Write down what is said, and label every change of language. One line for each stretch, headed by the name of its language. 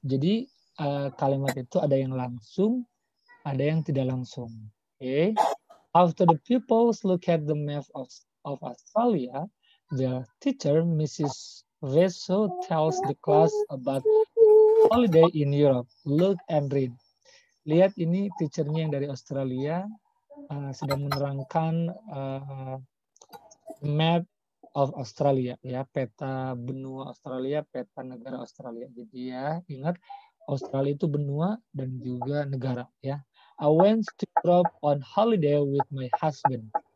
Indonesian: Jadi kalimat itu ada yang langsung, ada yang tidak langsung. Oke. Okay.
English: After the pupils look at the map of Australia, the teacher, Mrs. Vesso, tells the class about holiday in Europe. Look and read.
Indonesian: Lihat ini teachernya yang dari Australia sedang menerangkan
English: map of Australia,
Indonesian: ya, peta benua Australia, peta negara Australia. Jadi ya, ingat Australia itu benua dan juga negara, ya.
English: I went to Europe on holiday with my husband.